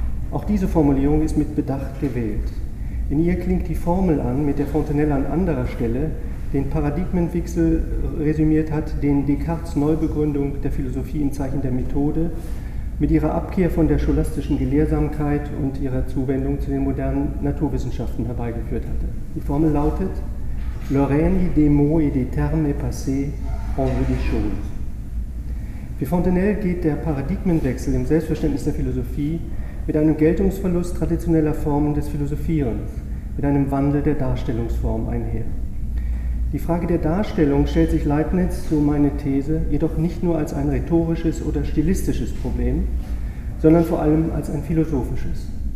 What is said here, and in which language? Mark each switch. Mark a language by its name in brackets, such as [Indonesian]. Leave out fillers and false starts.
[German] Auch diese Formulierung ist mit Bedacht gewählt. In ihr klingt die Formel an, mit der Fontenelle an anderer Stelle den Paradigmenwechsel resümiert hat, den Descartes' Neubegründung der Philosophie im Zeichen der Methode mit ihrer Abkehr von der scholastischen Gelehrsamkeit und ihrer Zuwendung zu den modernen Naturwissenschaften herbeigeführt hatte. Die Formel lautet: [French] Le règne des mots et des termes passés en veut des choses. [German] Für Fontenelle geht der Paradigmenwechsel im Selbstverständnis der Philosophie mit einem Geltungsverlust traditioneller Formen des Philosophierens, mit einem Wandel der Darstellungsform einher. Die Frage der Darstellung stellt sich Leibniz, so meine These, jedoch nicht nur als ein rhetorisches oder stilistisches Problem, sondern vor allem als ein philosophisches.